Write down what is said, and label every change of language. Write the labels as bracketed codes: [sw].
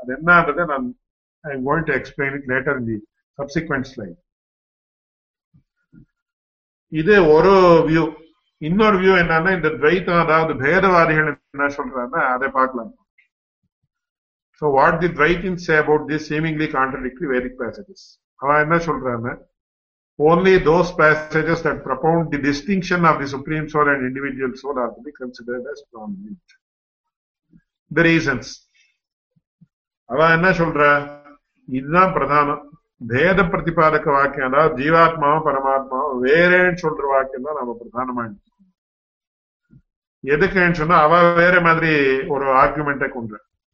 [ta] அது என்னன்றதை நான் [en] I am going to explain it later in the subsequent slide. [ta] இது ஒரு வியூ. இன்னொரு வியூ என்னன்னா இந்த துவைத்தம் அதாவது பேதவாதிகள் என்ன சொல்றாங்கன்னா அதை பார்க்கலாம். [en] So what the Dvaitins say about this seemingly contradictory Vedic passages? [ta] அவன் என்ன சொல்றான், [en] only those passages that propound the distinction of the Supreme Soul and individual soul are to be considered as prominent. The reasons. [ta] அவன் என்ன சொல்றான், இதுதான் பிரதானம், பேத பிரதிபாதக வாக்கியம் அதாவது ஜீவாத்மாவும் பரமாத்மாவும் வேறேன்னு சொல்ற வாக்கியம் தான் நம்ம பிரதானமா எடுத்துக்கணும். எதுக்குன்னு சொன்னா அவன் வேற மாதிரி ஒரு ஆர்குமெண்டை கொண்டான்.